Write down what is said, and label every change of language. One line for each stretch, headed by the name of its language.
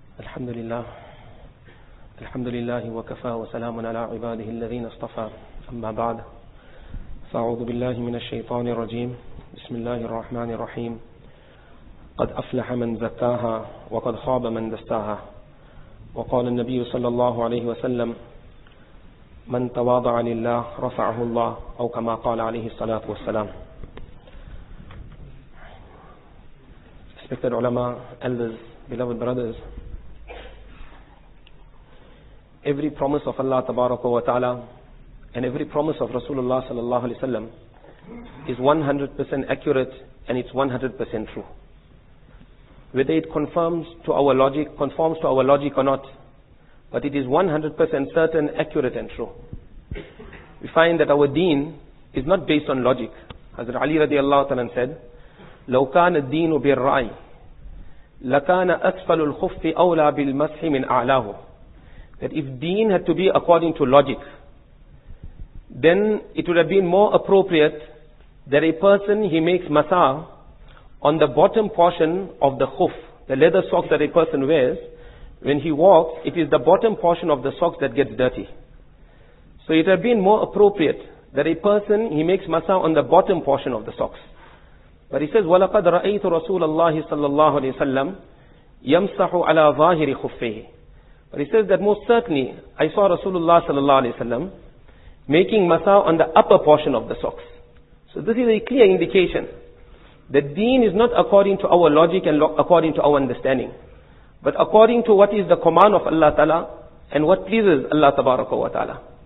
Arabic: الحمد لله الحمد لله وكفى وسلام على عباده الذين اصطفى أما بعد فأعوذ بالله من الشيطان الرجيم بسم الله الرحمن الرحيم قد أفلح من زكاها وقد خاب من دساها وقال النبي صلى الله عليه وسلم من تواضع لله رفعه الله أو كما قال عليه الصلاة والسلام.
English: Respected ulama, elders, beloved brothers, every promise of Allah tabaraka wa ta'ala and every promise of Rasulullah sallallahu alayhi wa sallam is 100% accurate and it's 100% true. Whether it conforms to our logic or not, but it is 100% certain, accurate and true. We find that our deen is not based on logic. Hazrat Ali radiallahu ta'ala said,
Arabic: لو كان الدين بالرأي لكان أسفل الخف أولى بالمسح من أعلاه.
English: That if deen had to be according to logic, then it would have been more appropriate that a person, he makes masa on the bottom portion of the khuf, the leather socks that a person wears when he walks. It is the bottom portion of the socks that gets dirty. So it would have been more appropriate that a person, he makes masa on the bottom portion of the socks. But he says,
Arabic: وَلَقَدْ رَأَيْتُ رَسُولَ اللَّهِ صَلَّى اللَّهُ عَلَيْهِ وَسَلَّمْ يَمْسَحُ عَلَى ظَاهِرِ خُفِّهِ.
English: But he says that most certainly I saw Rasulullah sallallahu alayhi wa sallam making masa on the upper portion of the socks. So this is a clear indication that deen is not according to our logic and according to our understanding, but according to what is the command of Allah ta'ala and what pleases Allah tabaraka wa ta'ala.